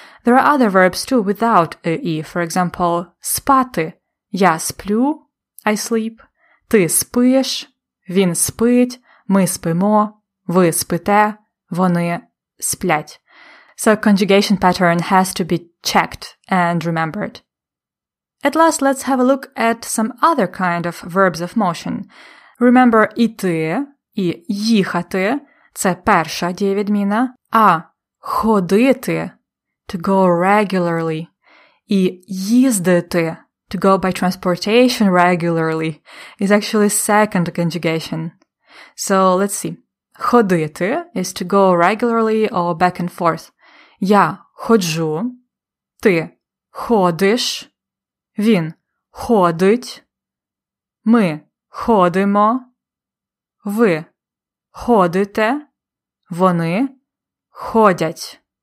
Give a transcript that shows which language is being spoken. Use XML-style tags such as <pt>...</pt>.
<en>There are other verbs too without ы-і. For example, спати –</en> <uk>я сплю,</uk> <en>I sleep.</en> <uk>Ти спиш – він спить, ми спимо, ви спите, вони сплять.</uk> <en>So conjugation pattern has to be checked and remembered. At last, let's have a look at some other kind of verbs of motion. Remember,</en> <uk>іти і їхати – це перша дієвідміна, а ходити</uk> <en>– to go regularly,</en> <uk>і їздити</uk> <en>– to go by transportation regularly – is actually second conjugation. So, let's see. Ходити is to go regularly or back and forth.</en> <uk>Я ходжу, ти ходиш, він ходить, ми ходимо, ви ходите, вони ходять.</uk>